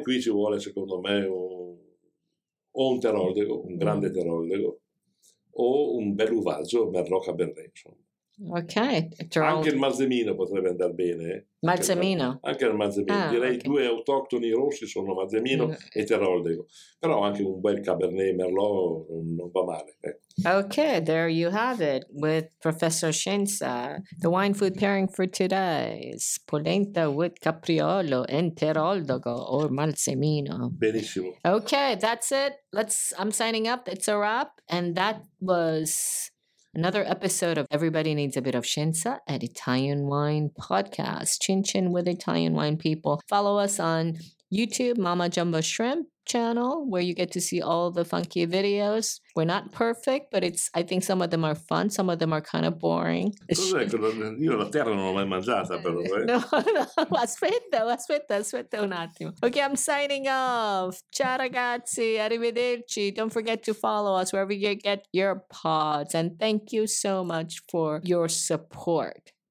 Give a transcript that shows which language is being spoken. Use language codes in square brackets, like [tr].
[it] Qui ci vuole, secondo me, un teroldego, un grande teroldego, o un bel uvaggio, Merlot Cabernet, insomma. Ok. Anche il Malzemino potrebbe andare bene. Malzemino? Anche il Malzemino. Direi due autoctoni rossi sono Malzemino e Teroldego. Però anche un bel Cabernet Merlot non va male. [en] Okay, there you have it with Professor Scienza. The wine food pairing for today is polenta with capriolo and Teroldego or Malzemino. [it] Benissimo. [en] Okay, that's it. I'm signing up. It's a wrap. And that was another episode of Everybody Needs a Bit of Scienza at Italian Wine Podcast. Chin chin with Italian wine people. Follow us on YouTube, Mama Jumbo Shrimp channel, where you get to see all the funky videos. We're not perfect, but I think some of them are fun, some of them are kind of boring. [it] Cos'è? Io la terra non l'ho mai mangiata, però. No, aspetta un attimo. [en] Okay, I'm signing off. [it] Ciao ragazzi, arrivederci. [en] Don't forget to follow us wherever you get your pods, and thank you so much for your support.